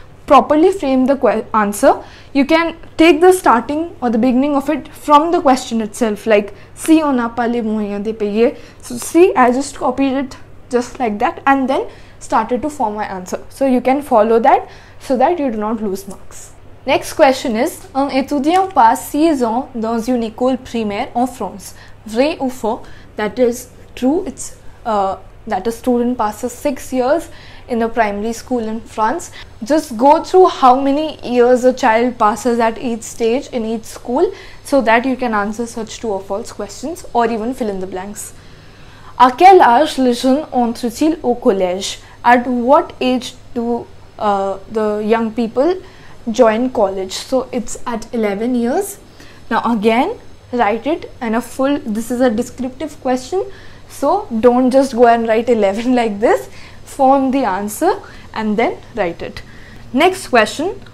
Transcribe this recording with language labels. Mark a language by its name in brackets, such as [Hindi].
[English] Properly frame the answer. You can take the starting or the beginning of it from the question itself, like [French] si on n'a pas les moyens de payer. [English] So see, I just copied it just like that and then started to form my answer. So you can follow that so that you do not lose marks. Next question is, [French] un étudiant passe 6 ans dans une école primaire en France. Vrai ou faux? [English] That is true. It's that a student passes 6 years in a primary school in France. Just go through how many years a child passes at each stage in each school so that you can answer such true or false questions or even fill in the blanks. [French] À quel âge les jeunes entrent-ils au collège? [English] At what age do the young people join college? So it's at 11 years. Now again, write it and a full, this is a descriptive question. So don't just go and write 11 like this. Form the answer and then write it. Next question.